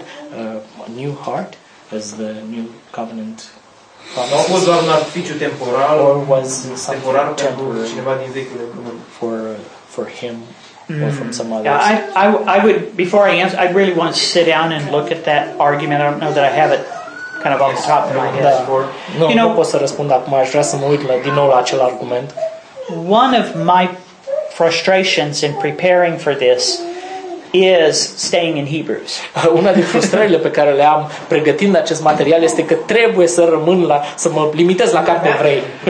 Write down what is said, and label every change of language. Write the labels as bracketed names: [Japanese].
[English] Did he really have a new heart as the new covenant? [Romanian] Nu a fost doar un artificiu temporal, [English] or was [Romanian] temporal pentru cineva din Vechiul Legământ? [English] For him or from some others? Yeah, I would, before I answer, I really want to sit down and look at that argument. I don't know that I have it kind of off the top of my head. [Romanian] Nu pot să răspund acum, aș vrea să mă uit din nou la acel argument. [English] One of my frustrations in preparing for this is staying in Hebrews. [Romanian] Una din frustrările pe care le am pregătind acest material este că trebuie să rămân la, să mă limitez la Cartea Evrei.